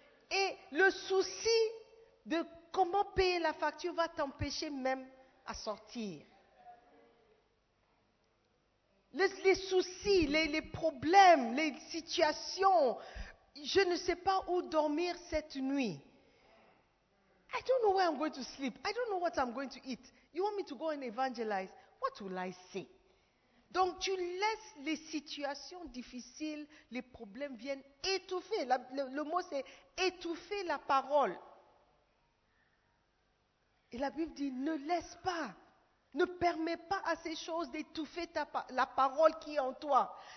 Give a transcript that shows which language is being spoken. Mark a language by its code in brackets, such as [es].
[fr] Et le souci de comment payer la facture va t'empêcher même à sortir. les soucis, les problèmes, les situations. Je ne sais pas où dormir cette nuit. [en] I don't know where I'm going to sleep. I don't know what I'm going to eat. You want me to go and evangelize? What will I say? [fr] Donc, tu laisses les situations difficiles, les problèmes viennent étouffer. Le mot, c'est étouffer la parole. Et la Bible dit, ne laisse pas, ne permets pas à ces choses d'étouffer la parole qui est en toi.